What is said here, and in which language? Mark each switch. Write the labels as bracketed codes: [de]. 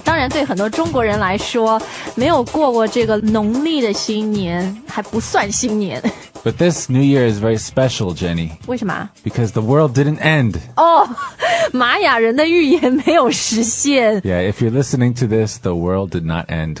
[zh] 当然，对很多中国人来说，没有过过这个农历的新年还不算新年。 [en] But this New Year is very special, Jenny. [zh] 为什么？ [en] Because the world didn't end. [zh] Oh, 玛雅人的预言没有实现。 [en] Yeah, if you're listening to this, the world did not end.